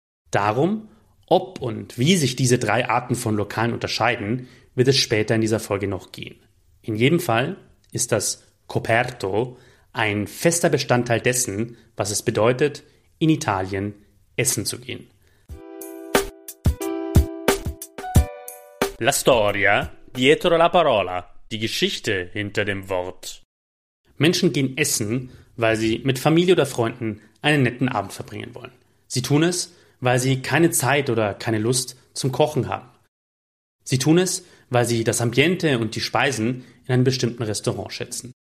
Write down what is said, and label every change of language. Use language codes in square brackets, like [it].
[de] Darum, ob und wie sich diese drei Arten von Lokalen unterscheiden, wird es später in dieser Folge noch gehen. In jedem Fall ist das Coperto ein fester Bestandteil dessen, was es bedeutet, in Italien essen zu gehen. [it] La storia dietro la parola. [de] Die Geschichte hinter dem Wort. Menschen gehen essen, weil sie mit Familie oder Freunden einen netten Abend verbringen wollen. Sie tun es, weil sie keine Zeit oder keine Lust zum Kochen haben. Sie tun es, weil sie das Ambiente und die Speisen in einem bestimmten Restaurant schätzen.